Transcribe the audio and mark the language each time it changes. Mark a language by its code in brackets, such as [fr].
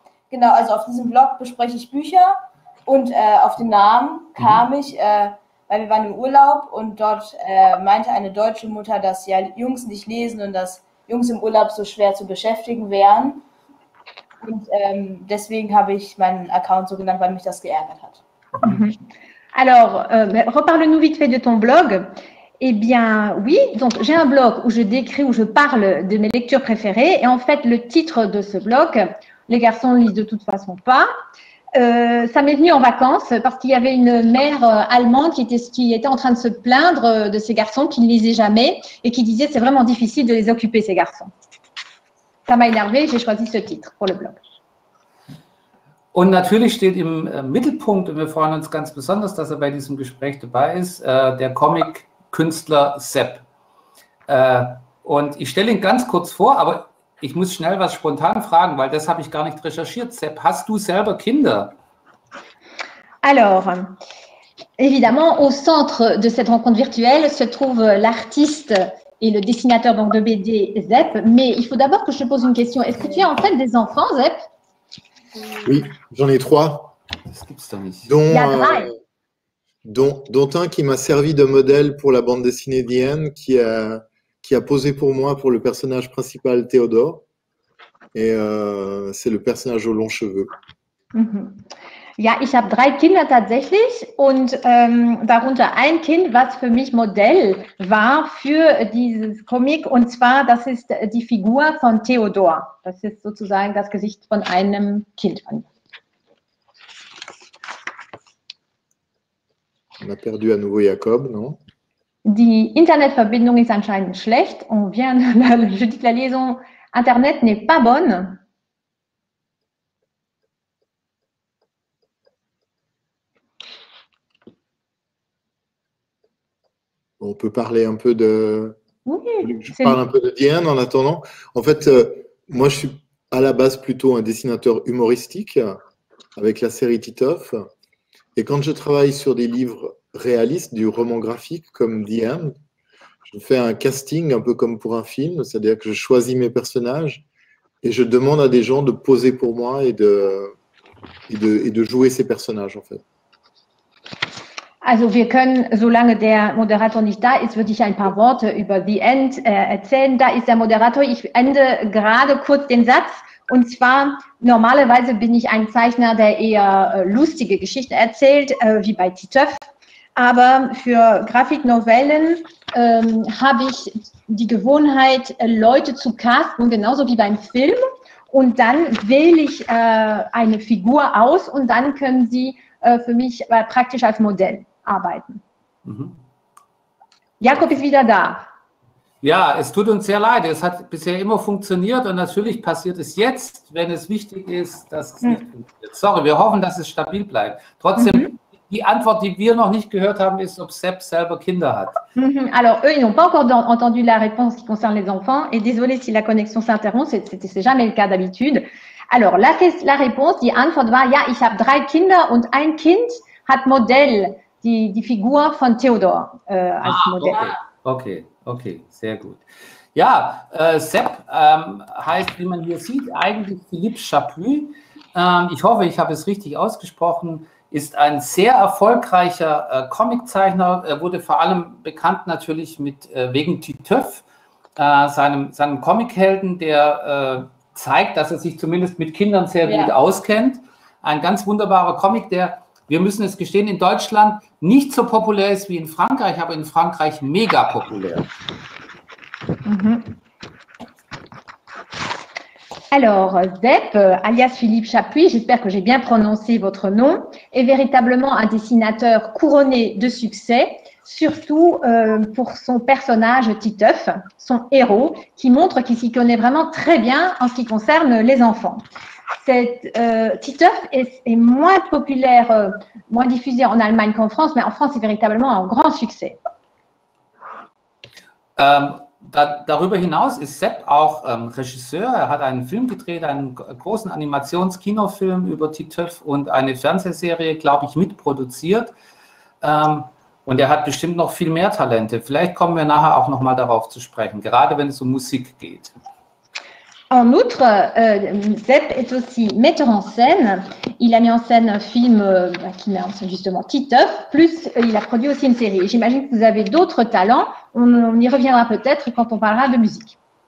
[de] Genau, also auf diesem Blog bespreche ich Bücher und auf den Namen kam ich, weil wir waren im Urlaub und dort meinte eine deutsche Mutter, dass ja Jungs nicht lesen und dass Jungs im Urlaub so schwer zu beschäftigen wären. Und deswegen habe ich meinen Account so genannt, weil mich das geärgert hat. [fr] Alors, reparle-nous vite fait de ton Blog. Eh bien, oui, donc j'ai un blog où je décris, où je parle de mes lectures préférées. Et en fait, le titre de ce blog, Les garçons ne lisent de toute façon pas, ça m'est venu en vacances parce qu'il y avait une mère allemande qui était en train de se plaindre de ces garçons qui ne lisaient jamais et qui disait c'est vraiment difficile de les occuper, ces garçons. Ça m'a énervée, j'ai choisi ce titre pour le blog. [de] Und natürlich steht im Mittelpunkt, und wir freuen uns ganz besonders, dass er bei diesem Gespräch dabei ist, der Comic Künstler Sepp. Und ich stelle ihn ganz kurz vor, aber ich muss schnell was spontan fragen, weil das habe ich gar nicht recherchiert. Sepp, hast du selber Kinder? [fr] Alors, évidemment, au centre de cette rencontre virtuelle se trouve l'artiste et le dessinateur donc de BD Sepp. Mais il faut d'abord que je te pose une question. Est-ce que tu as en fait des enfants, Sepp? Oui, j'en ai trois. [de] Das gibt's doch nicht. [fr] Donc, dont un qui m'a servi de modèle pour la bande dessinée The End, qui a posé pour moi pour le personnage principal Théodore. Et c'est le personnage aux longs cheveux. [de] Ja, ich habe drei Kinder tatsächlich und darunter ein Kind, was für mich Modell war für dieses Comic. Und zwar, das ist die Figur von Theodor. Das ist sozusagen das Gesicht von einem Kind. [fr] On a perdu à nouveau Jacob, non? [de] Die Internetverbindung ist anscheinend schlecht. [fr] On vient de la, je dis que la liaison Internet n'est pas bonne. On peut parler un peu de... Oui, je parle un peu de Diane en attendant. En fait, moi, je suis à la base plutôt un dessinateur humoristique avec la série Titoff. Et quand je travaille sur des livres réalistes, du roman graphique comme Diane, je fais un casting un peu comme pour un film, c'est-à-dire que je choisis mes personnages et je demande à des gens de poser pour moi et de jouer ces personnages, en fait. [de] Also wir können, solange der Moderator nicht da ist, würde ich ein paar Worte über The End erzählen. Da ist der Moderator. Ich ende gerade kurz den Satz. Und zwar, normalerweise bin ich ein Zeichner, der eher lustige Geschichten erzählt, wie bei Titoff. Aber für Grafiknovellen habe ich die Gewohnheit, Leute zu casten, genauso wie beim Film. Und dann wähle ich eine Figur aus und dann können sie für mich praktisch als Modell arbeiten. Mhm. Jakob ist wieder da. Ja, es tut uns sehr leid. Es hat bisher immer funktioniert und natürlich passiert es jetzt, wenn es wichtig ist, dass es nicht funktioniert. Sorry, wir hoffen, dass es stabil bleibt. Trotzdem, die Antwort, die wir noch nicht gehört haben, ist, ob Sepp selber Kinder hat. [fr] Alors, eux, ils n'ont pas encore entendu la réponse qui concerne les enfants. Et désolé si la connexion s'interrompt, c'est jamais le cas d'habitude. Alors, la réponse, [de] die Antwort war, ja, ich habe drei Kinder und ein Kind hat Modell, die Figur von Theodor als Modell. Okay, sehr gut. Ja, Sepp heißt, wie man hier sieht, eigentlich Philippe Chaput. Ich hoffe, ich habe es richtig ausgesprochen. Ist ein sehr erfolgreicher Comiczeichner. Er wurde vor allem bekannt natürlich wegen Titeuf, seinem Comichelden, der zeigt, dass er sich zumindest mit Kindern sehr gut auskennt. Ein ganz wunderbarer Comic, der, wir müssen es gestehen, in Deutschland nicht so populär ist wie in Frankreich, aber in Frankreich mega populär. [fr] Alors, Depp, alias Philippe Chaput, j'espère que j'ai bien prononcé votre nom, est véritablement un dessinateur couronné de succès, surtout pour son personnage Titeuf, son héros, qui montre qu'il s'y connaît vraiment très bien en ce qui concerne les enfants. Titeuf est moins populaire, moins diffusé en Allemagne qu'en France, mais en France, c'est véritablement un grand succès. [de] Darüber hinaus ist Sepp auch Regisseur. Er hat einen Film gedreht, einen großen Animationskinofilm über Titeuf und eine Fernsehserie, glaube ich, mitproduziert. Und er hat bestimmt noch viel mehr Talente. Vielleicht kommen wir nachher auch nochmal darauf zu sprechen, gerade wenn es um Musik geht. [fr] En outre, Sepp est aussi metteur en scène. Il a mis en scène un film qui met en scène justement Titeuf, plus il a produit aussi une série. J'imagine que vous avez d'autres talents. On y reviendra peut-être quand on parlera de musique.